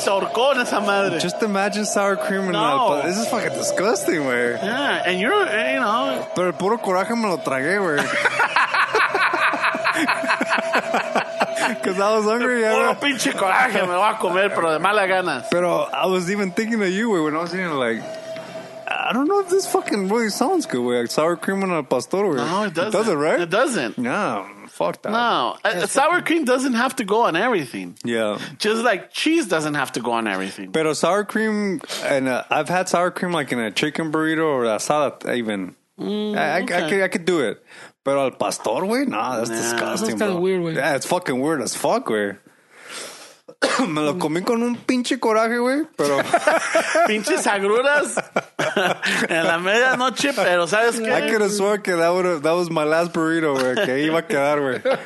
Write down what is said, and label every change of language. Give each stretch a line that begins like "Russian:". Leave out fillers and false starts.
Spanish: sorcón esa madre.
English: Just imagine sour cream and no. This is fucking disgusting, güey. Yeah, and you're, you know.
Spanish: Pero el puro coraje me lo tragué, güey.
English: Because I was hungry, yeah.
Spanish: Puro pinche coraje me voy a comer, pero de mala ganas.
English: Pero I was even thinking of you, güey, when I was eating like. I don't know if this fucking really sounds good, güey. Like sour cream and a pastor, güey. No, it doesn't. It doesn't, right? It doesn't. Yeah, fuck that. No, sour cream doesn't have to go on everything. Yeah. Just like cheese doesn't have to go on everything. Pero sour cream, and I've had sour cream like in a chicken burrito or a salad even. I could do it.
Spanish: Pero al pastor, güey,
English: nah, that's disgusting, that's bro. Kind of weird, güey. Yeah, it's fucking weird as fuck,
Spanish: güey. Me lo comí con un pinche coraje, güey, pero... Pinches agruras en la medianoche, pero ¿sabes qué?
English: I could have sworn que that was my last burrito, güey,
Spanish: que iba a quedar, güey.